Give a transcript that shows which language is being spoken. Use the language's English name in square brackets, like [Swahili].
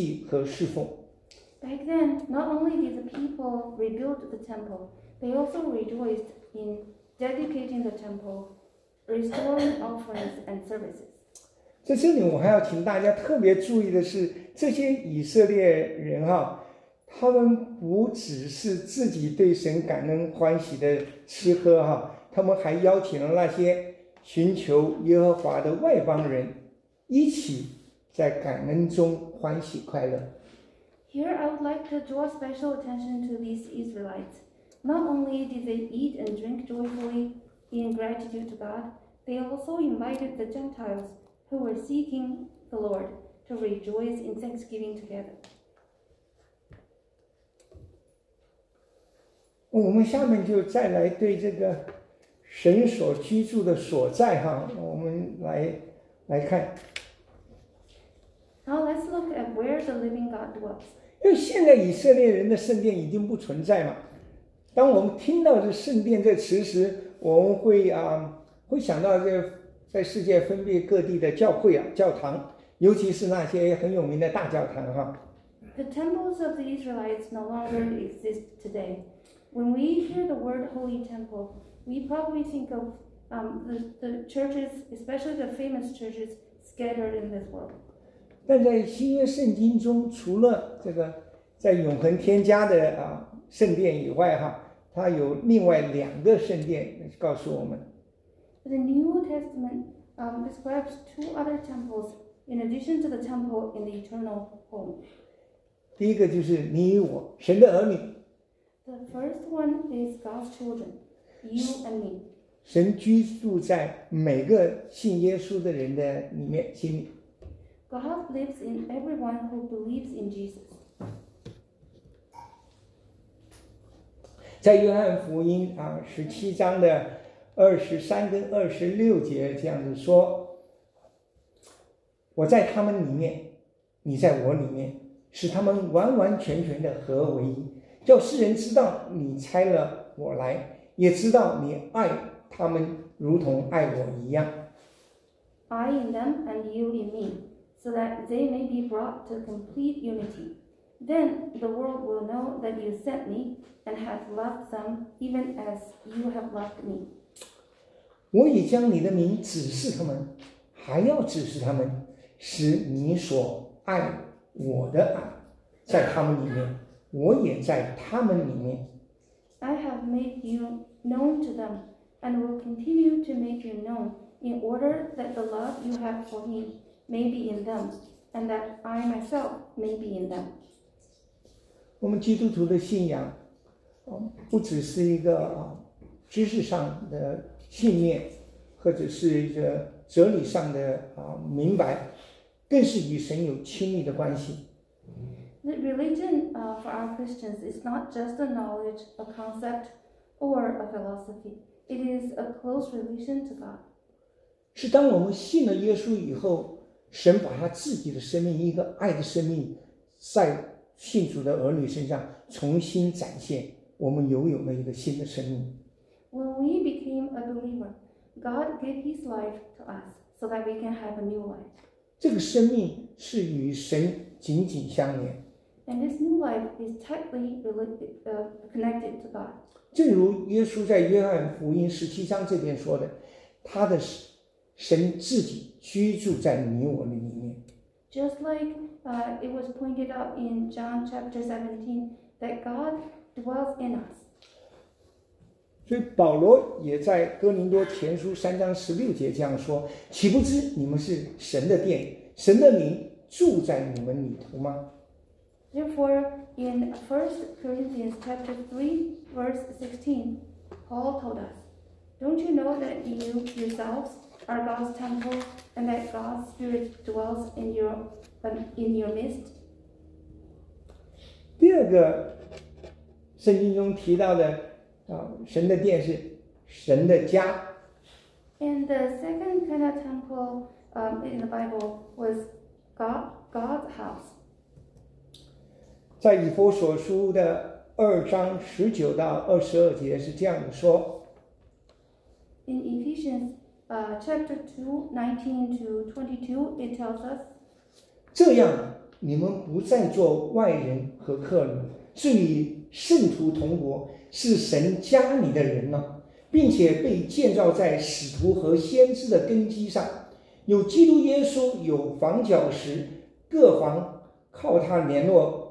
[English] Back then, not only did the people rebuild the temple, they also rejoiced in dedicating the temple, restoring offerings and services. [Chinese] 在这里我还要请大家特别注意的是，这些以色列人啊，他们不只是自己对神感恩欢喜的吃喝哈，他们还邀请了那些寻求耶和华的外邦人一起在感恩中欢喜快乐。 [English] Here I would like to draw special attention to these Israelites. Not only did they eat and drink joyfully in gratitude to God, they also invited the Gentiles who were seeking the Lord to rejoice in thanksgiving together. [Chinese] 我们下面就再来对这个神所居住的所在哈，我们来看。 [English] Now let's look at where the living God dwells. [Chinese] 因为现在以色列人的圣殿已经不存在嘛。当我们听到这圣殿这词时，我们会啊会想到这在世界分别各地的教会啊教堂，尤其是那些很有名的大教堂哈。 [English] The temples of the Israelites no longer exist today. When we hear the word holy temple, we probably think of the churches, especially the famous churches scattered in this world. [Chinese] 但在新约圣经中，除了这个在永恒天家的啊圣殿以外，哈，它有另外两个圣殿告诉我们。 [English] The New Testament describes two other temples in addition to the temple in the eternal home. [Chinese] 第一个就是你我，神的儿女。 [English] The first one is God's children, you and me. [Chinese] 神居住在每个信耶稣的人的里面心里。 [English] God lives in everyone who believes in Jesus. [Chinese] 在约翰福音啊十七章的23-26这样子说：“我在他们里面，你在我里面，使他们完完全全的合为一。” 叫世人知道你差了我来，也知道你爱他们如同爱我一样。 [English] I in them and you in me, so that they may be brought to complete unity. Then the world will know that you sent me and have loved them even as you have loved me. [Chinese] 我已将你的名指示他们，还要指示他们，使你所爱我的爱在他们里面。我也在他们里面。 [English] I have made you known to them, and will continue to make you known, in order that the love you have for me may be in them, and that I myself may be in them. [Chinese] 我们基督徒的信仰，不只是一个知识上的信念，或者是一个哲理上的明白，更是与神有亲密的关系。 [English] The religion for our Christians is not just a knowledge, a concept, or a philosophy. It is a close relation to God. [Chinese] 是当我们信了耶稣以后，神把他自己的生命，一个爱的生命，在信主的儿女身上重新展现，我们拥有了一个新的生命。 [English] When we became a believer, God gave his life to us so that we can have a new life. [Chinese] 这个生命是与神紧紧相连。 [English] And this new life is tightly connected to God. [Chinese] 正如耶稣在约翰福音十七章这边说的，他的神自己居住在你我的里面。 [English] Just like it was pointed out in John chapter 17, that God dwells in us. [Chinese] 所以保罗也在哥林多前书三章十六节这样说，岂不知你们是神的殿，神的灵住在你们里头吗？ [English] Therefore, in 1 Corinthians chapter 3, verse 16, Paul told us, Don't you know that you yourselves are God's temple and that God's Spirit dwells in your midst? [Chinese] 第二个圣经中提到的神的殿是神的家。 [English] And the second kind of temple in the Bible was God's house. [Chinese] 在以弗所书的二章十九到二十二节是这样的说。 [English] In Ephesians, chapter 2:19-22, it tells us, [Chinese] 这样你们不再做外人和客人，是与圣徒同国，是神家里的人了，并且被建造在使徒和先知的根基上，有基督耶稣有房角石，各房靠他联络。